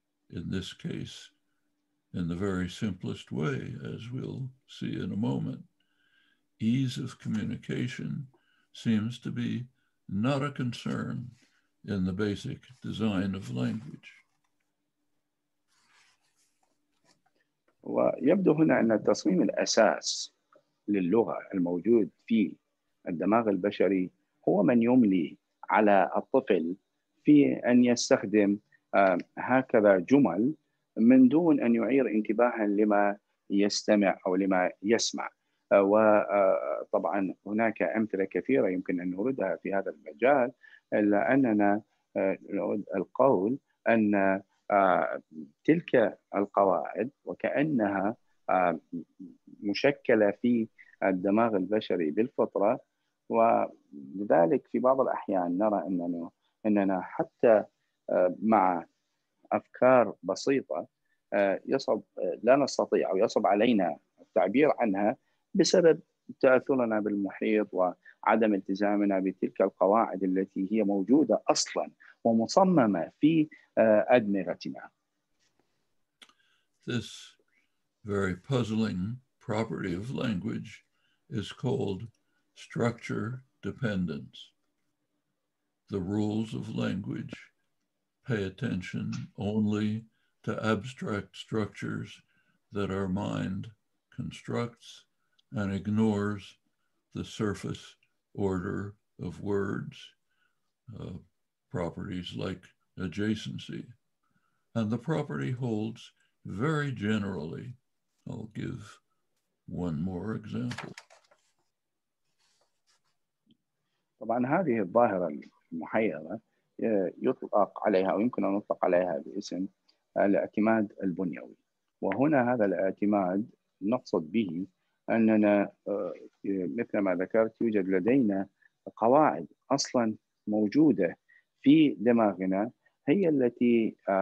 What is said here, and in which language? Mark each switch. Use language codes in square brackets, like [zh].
[en] In this case, in the very simplest way, as we'll see in a moment, ease of communication seems to be not a concern in the basic design of language. [ar] ويبدو هنا أن التصميم الأساس للغة الموجود في الدماغ البشري هو من يملي على الطفل في أن يستخدم هكذا جمل من دون أن يعير انتباها لما يستمع أو لما يسمع. وطبعا هناك أمثلة كثيرة يمكن أن نردها في هذا المجال، لأننا نريد القول أن تلك القواعد وكأنها مشكلة في الدماغ البشري بالفطرة، ولذلك في بعض الأحيان نرى أننا حتى مع أفكار بسيطة يصعب لا نستطيع أو يصعب علينا التعبير عنها بسبب تأثرنا بالمحيط وعدم التزامنا بتلك القواعد التي هي موجودة أصلاً ومصممة في أدمغتنا. [en] This very puzzling property of language is called structure dependence. The rules of language pay attention only to abstract structures that our mind constructs and ignores the surface order of words, properties like adjacency. And the property holds very generally. I'll give one more example. [ar] طبعاً هذه الظاهرة المحيرة يطلق عليها أو يمكن أن نطلق عليها باسم الاعتماد البنيوي. وهنا هذا الاعتماد نقصد به أننا مثل ما ذكرت يوجد لدينا قواعد أصلاً موجودة في دماغنا هي التي